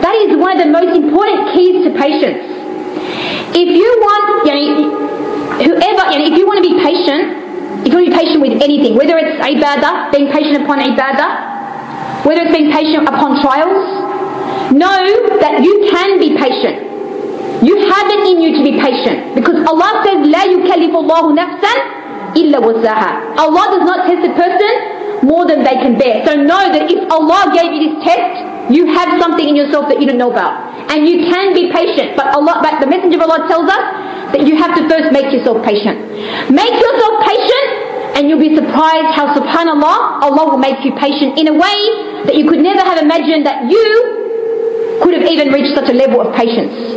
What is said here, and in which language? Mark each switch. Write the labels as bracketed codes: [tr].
[en] That is one of the most important keys to patience. If you want, if you want to be patient, if you want to be patient with anything, whether it's ibadah, being patient upon ibadah, whether it's being patient upon trials, know that you can be patient. You have it in you to be patient. Because Allah says, [ar] لَا يُكَلِّفُ اللَّهُ نَفْسًا إِلَّا وُسْعَهَا. [en] Allah does not test a person more than they can bear. So know that if Allah gave you this test, you have something in yourself that you don't know about. And you can be patient. But the Messenger of Allah tells us that you have to first make yourself patient. Make yourself patient and you'll be surprised how, subhanAllah, Allah will make you patient in a way that you could never have imagined that you could have even reached such a level of patience.